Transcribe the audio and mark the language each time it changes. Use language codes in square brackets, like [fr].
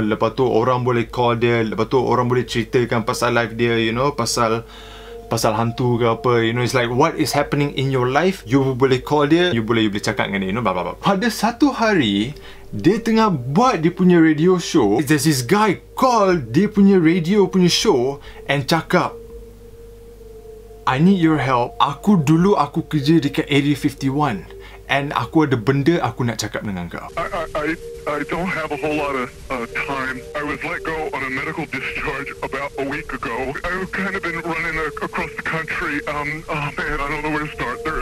[ms] Lepas tu orang boleh call dia, lepas tu orang boleh ceritakan pasal life dia, you know, pasal hantu ke apa, you know, [en] it's like what is happening in your life, [ms] you boleh call dia, you boleh cakap dengan dia, you know, blah blah blah. Pada satu hari, dia tengah buat dia punya radio show. [en] There's this guy call [ms] dia punya radio punya show [en] and cakap, I need your help. [ms] Aku dulu aku kerja dekat Area 51 and aku ada benda aku nak cakap dengan kau. [en] I don't have a whole lot of time. I was let go on a medical discharge about a week ago. I've kind of been running across the country. Oh man, I don't know where to start.